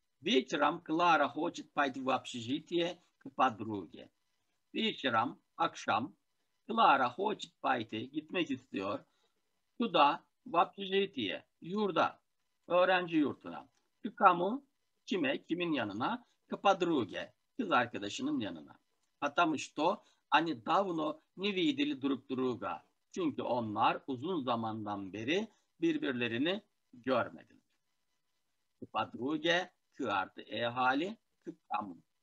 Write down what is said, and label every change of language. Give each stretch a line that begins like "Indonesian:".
Russian: Вечером Клара хочет пойти в общежитие к подруге. Вечером,
Turkish: akşam,
Russian: Клара хочет пойти,
Turkish: gitmek istiyor,
Russian: куда, в общежитие,
Turkish: yurda, öğrenci yurtuna.
Russian: К кому,
Turkish: kime, kimin yanına,
Russian: к подруге,
Turkish: kız arkadaşının yanına.
Russian: Потому что они давно не видели друг друга.
Turkish: Çünkü onlar uzun zamandan beri birbirlerini görmediler.
Russian: К подруге, kı artı e hali kı kamu.